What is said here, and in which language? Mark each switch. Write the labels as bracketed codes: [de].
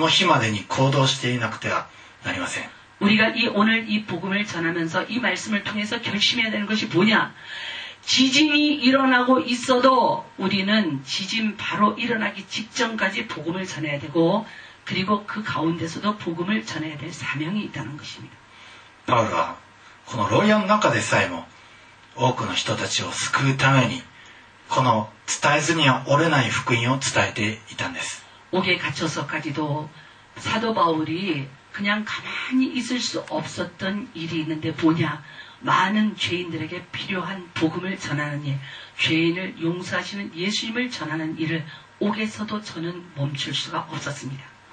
[ja] 皆さんも地震までに天地が揺り動かされるその日までに行動していなくてはなりません。 [ko] 우리가 이 오늘 이 복음을 전하면서 이 말씀을 통해서 결심해야 되는 것이 뭐냐? 지진이 일어나고 있어도 우리는 지진 바로 일어나기 직전까지 복음을 전해야 되고 그리고 그 가운데서도 복음을 전해야 될 사명이 있다는 것입니다. [ja] 바울은 この牢屋の中でさえも多くの人たちを救うためにこの伝えずには折れない福音を伝えていたんです。 [ko] 옥에갇혀서까지도사도바울이그냥가만히있을수없었던일이있는데뭐냐많은죄인들에게필요한복음을전하는일죄인을용서하시는예수님을전하는일을옥에서도저는멈출수가없었습니다